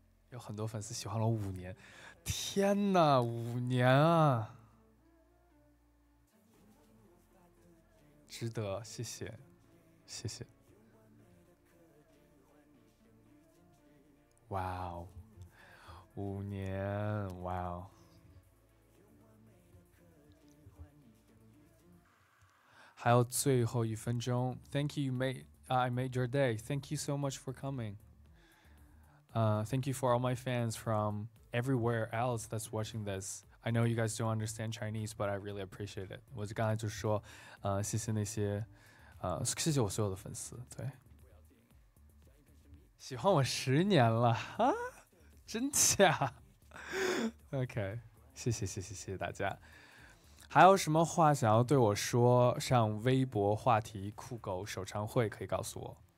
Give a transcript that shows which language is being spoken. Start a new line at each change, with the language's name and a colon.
Chinese: 有很多粉丝喜欢了五年，天哪，五年啊，值得，谢谢谢谢，哇哦，五年，哇哦，还有最后一分钟。
English: Thank you, I made your day. Thank you so much for coming. Thank you for all my fans from everywhere else that's watching this. I know you guys don't understand Chinese, but I really appreciate it.
Chinese: 我刚才就说，谢谢那些，谢谢我所有的粉丝，对，喜欢我十年了，啊，真假？OK， 谢谢谢谢谢谢大家。还有什么话想要对我说，上微博话题酷狗首唱会可以告诉我。